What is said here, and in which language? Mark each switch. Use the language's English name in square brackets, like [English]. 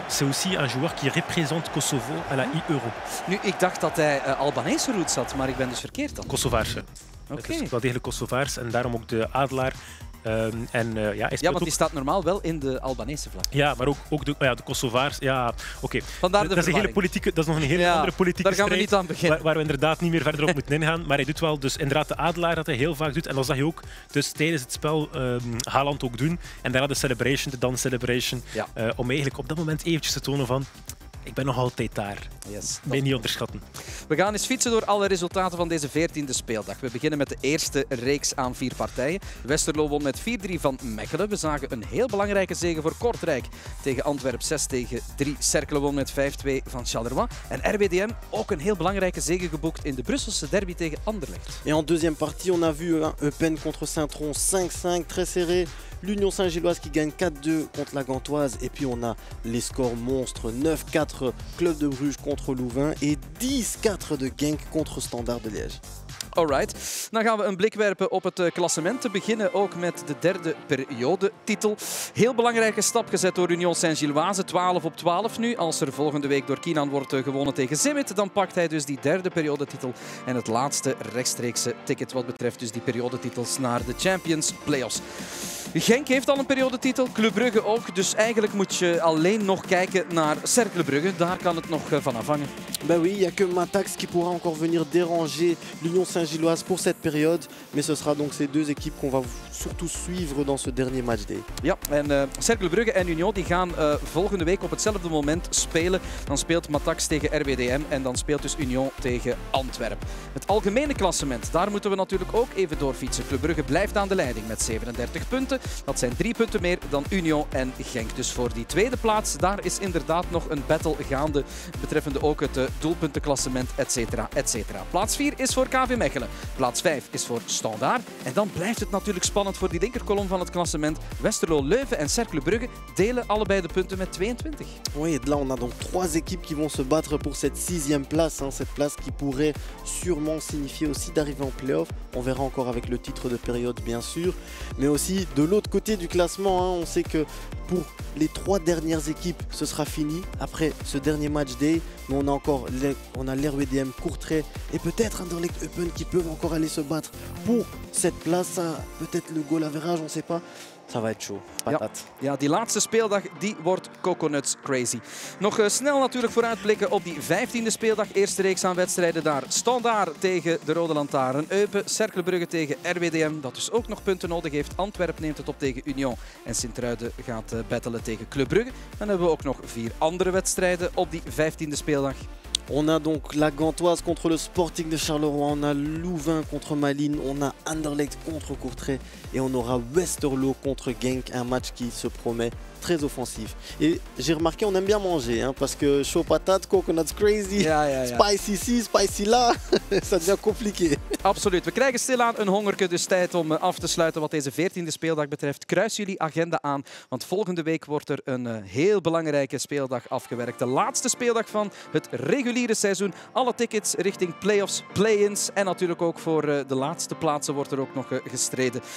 [French] C'est aussi un joueur qui représente Kosovo à la I-Euro. [Dutch] Nu, ik dacht dat hij Albanese roots had, maar ik ben dus verkeerd dan. Kosovaarse. Okay. Het is wel degelijk Kosovaars en daarom ook de adelaar. Want ook... die staat normaal wel in de Albanese vlag. Ja, maar ook de, ja, de Kosovaars. Ja, oké. Okay. Vandaar de dat is, een hele politieke, dat is nog een hele andere politieke daar gaan strijd. Daar gaan we niet aan beginnen. Waar we inderdaad niet meer verder op moeten ingaan. Maar hij doet wel dus inderdaad de adelaar dat hij heel vaak doet. En dat zag je ook dus tijdens het spel Haaland ook doen. En daarna de celebration, de dance celebration. Ja. Om eigenlijk op dat moment eventjes te tonen van... Ik ben nog altijd daar. [English] Yes, [Dutch] ben je niet onderschatten. We gaan eens fietsen door alle resultaten van deze 14e speeldag. We beginnen met de eerste reeks aan vier partijen. Westerlo won met 4-3 van Mechelen. We zagen een heel belangrijke zege voor Kortrijk. Tegen Antwerp 6-3. Cercle won met 5-2 van Charleroi. En RWDM ook een heel belangrijke zege geboekt in de Brusselse derby tegen Anderlecht. En in de tweede partij [French] on a vu Eupen contre Saint-Tron 5-5, très serré. L'Union Saint-Gilloise qui gagne 4-2 contre la Gantoise. Et puis on a les scores monstres. 9-4 Club de Bruges contre Louvain. Et 10-4 de Genk contre Standard de Liège. [English] Alright. [Dutch] Dan gaan we een blik werpen op het klassement. Te beginnen ook met de derde periodetitel. Heel belangrijke stap gezet door Union Saint-Gilloise. 12-12 nu. Als er volgende week door Kinan wordt gewonnen tegen Zimmet, dan pakt hij dus die derde periodetitel. En het laatste rechtstreekse ticket wat betreft dus die periodetitels naar de Champions Playoffs. Genk heeft al een periodetitel, Club Brugge ook. Dus eigenlijk moet je alleen nog kijken naar Cercle Brugge. Daar kan het nog van afhangen. [French] Ben oui, il y a que Matax qui pourra encore venir déranger l'Union Saint-Gilloise pour cette période. Mais ce sera donc ces deux équipes qu'on va surtout suivre dans ce dernier matchday. [Dutch] Ja, en Cercle Brugge en Union die gaan volgende week op hetzelfde moment spelen. Dan speelt Matax tegen RWDM en dan speelt dus Union tegen Antwerp. Het algemene klassement, daar moeten we natuurlijk ook even doorfietsen. Club Brugge blijft aan de leiding met 37 punten. Dat zijn 3 punten meer dan Union en Genk. Dus voor die tweede plaats, daar is inderdaad nog een battle gaande. Betreffende ook het doelpuntenklassement, et cetera, et cetera. Plaats 4 is voor KV Mechelen. Plaats 5 is voor Standaard. En dan blijft het natuurlijk spannend voor die linkerkolom van het klassement. Westerlo, Leuven en Cercle Brugge delen allebei de punten met 22. [French] Oui, et là, on a donc 3 équipes qui vont se battre pour cette 6e place. Hein, cette place qui pourrait sûrement signifier aussi d'arriver en play-off. On verra encore avec le titre de période, bien sûr. Mais aussi. De l'autre côté du classement, hein, on sait que pour les 3 dernières équipes, ce sera fini après ce dernier match day. Mais on a encore l'RWDM, Courtrai et peut-être Anderlecht Eupen qui peuvent encore aller se battre pour cette place. Peut-être le goal average, on ne sait pas. Ça va être chaud. Patate. [Dutch] Ja, die laatste speeldag die wordt [English] coconuts crazy. [Dutch] Nog snel natuurlijk vooruitblikken op die 15e speeldag. Eerste reeks aan wedstrijden daar. Standaard tegen de Rode Lantaarn. Eupen, Cercle Brugge tegen RWDM, dat dus ook nog punten nodig heeft. Antwerp neemt het op tegen Union. En Sint-Truiden gaat battelen tegen Club Brugge. Dan hebben we ook nog 4 andere wedstrijden op die 15e speeldag. [French] On a donc la Gantoise contre le Sporting de Charleroi, on a Louvain contre Malines, on a Anderlecht contre Courtrai et on aura Westerlo contre Genk, un match qui se promet très offensif. Et j'ai remarqué, on aime bien manger, hein, parce que chaud patate, [English] coconuts crazy, [French] spicy ici, spicy là, ça devient compliqué. [Dutch] Absoluut, we krijgen stilaan een hongerke, dus tijd om af te sluiten wat deze 14e speeldag betreft. Kruis jullie agenda aan, want volgende week wordt er een heel belangrijke speeldag afgewerkt. De laatste speeldag van het reguliere seizoen. Alle tickets richting play-offs, play-ins en natuurlijk ook voor de laatste plaatsen wordt er ook nog gestreden.